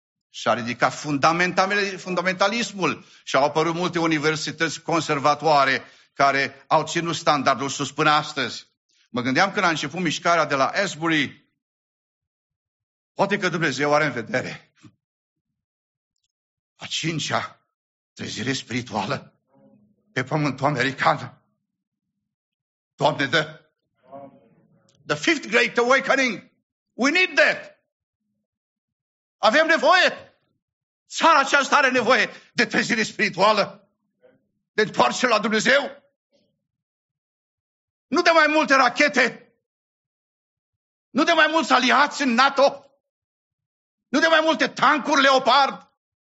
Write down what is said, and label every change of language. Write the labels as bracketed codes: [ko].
[ro] S-a ridicat fundamentalismul și au apărut multe universități conservatoare care au ținut standardul sus până astăzi. Mă gândeam când a început mișcarea de la Asbury, poate că Dumnezeu are în vedere a cincea trezire spirituală pe pământul american. [en] Doamne, the fifth great awakening, we need that. [ro] Avem nevoie. Țara aceasta are nevoie de trezire spirituală, de întoarcere la Dumnezeu. Nu de mai multe rachete, nu de mai mulți aliați în NATO, nu de mai multe tancuri Leopard.